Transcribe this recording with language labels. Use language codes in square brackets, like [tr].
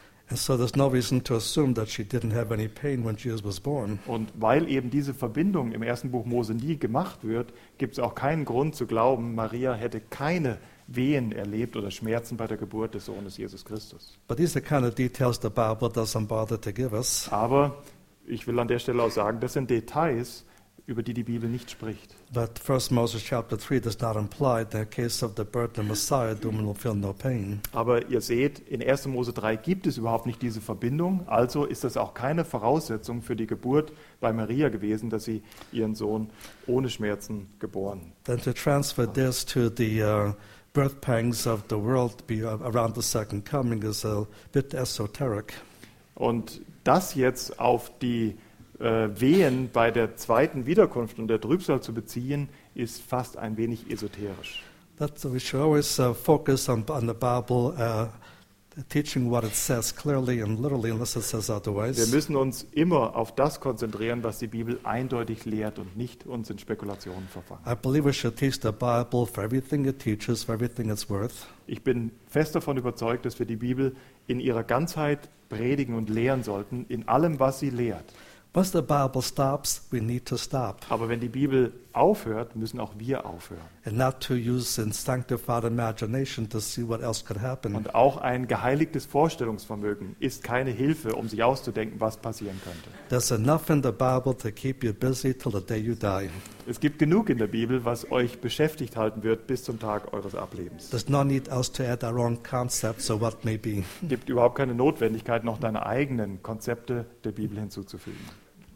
[en] And so there's no reason to assume that she didn't have any pain when Jesus was born. [de] Und weil eben diese Verbindung im ersten Buch Mose nie gemacht wird, gibt es auch keinen Grund zu glauben, Maria hätte keine Wehen erlebt oder Schmerzen bei der Geburt des Sohnes Jesus Christus. [en] But these are kind of details the Bible doesn't bother to give us. [de] Aber ich will an der Stelle auch sagen, das sind Details, über die Bibel nicht spricht. [en] But First Moses chapter 3 does not imply that in the case of the birth of the Messiah, the woman will feel no pain. [de] Aber ihr seht, in 1. Mose 3 gibt es überhaupt nicht diese Verbindung, also ist das auch keine Voraussetzung für die Geburt bei Maria gewesen, dass sie ihren Sohn ohne Schmerzen geboren. [en] Then to transfer this to the birth pangs of the world around the second coming is a bit esoteric. [de] Und das jetzt auf die Wehen bei der zweiten Wiederkunft und der Trübsal zu beziehen, ist fast ein wenig esoterisch. [en] That's, we should always focus on the Bible, teaching what it says clearly and literally, unless it says otherwise. [de] Wir müssen uns immer auf das konzentrieren, was die Bibel eindeutig lehrt, und nicht uns in Spekulationen verfangen. [en] I believe we should teach the Bible for everything it teaches, for everything it's worth. [de] Ich bin fest davon überzeugt, dass wir die Bibel in ihrer Ganzheit predigen und lehren sollten, in allem, was sie lehrt. [en] Once the Bible stops, we need to stop. [de] Aber wenn die Bibel aufhört, müssen auch wir aufhören. [en] And not to use in sanctified imagination to see what else could happen. [de] Und auch ein geheiligtes Vorstellungsvermögen ist keine Hilfe, um sich auszudenken, was passieren könnte. [en] There's enough in the Bible to keep you busy till the day you die. [de] Es gibt genug in der Bibel, was euch beschäftigt halten wird bis zum Tag eures Ablebens. [en] There's no need us to add our own concepts or what may be. [de] Gibt überhaupt keine Notwendigkeit, noch deine eigenen Konzepte der Bibel hinzuzufügen.